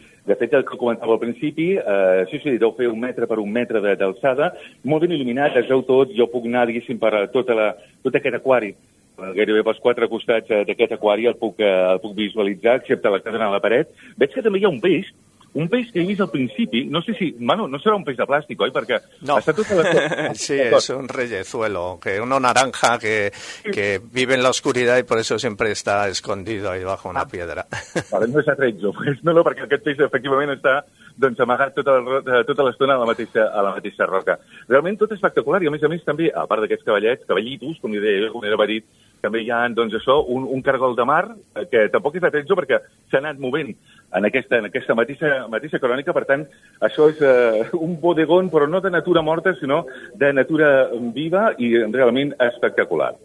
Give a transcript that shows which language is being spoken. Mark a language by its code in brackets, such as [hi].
[ca] De fet, el que comentava al principi, sí, deu fer un metre per un metre d'alçada, molt ben il·luminat, es veu tot, jo puc anar, diguéssim, per tot aquest aquari, gairebé pels quatre costats d'aquest aquari el puc visualitzar, excepte la que dona a la paret. Veig que també hi ha un peix que he vist al principi, no sé si, Manu, no serà un peix de plàstic, oi? Perquè no. Està tot a la... Sí, és [es] un reyezuelo, que uno naranja que vive en la oscuridad y por eso siempre está escondido ahí bajo una piedra. [ca] Vale, no és atrezzo, [es] pues no, [ca] perquè aquest peix efectivament està doncs amagat tota l'estona a la mateixa roca. Realment tot és espectacular, i a més també, a part d'aquests cavallitos, com li deia jo, com era dit, també hi ha doncs, això, un cargol de mar, que tampoc és atrezzo perquè s'ha anat movent en aquesta mateixa crònica, per tant, això és un bodegón, però no de natura morta, sinó de natura viva i realment espectacular.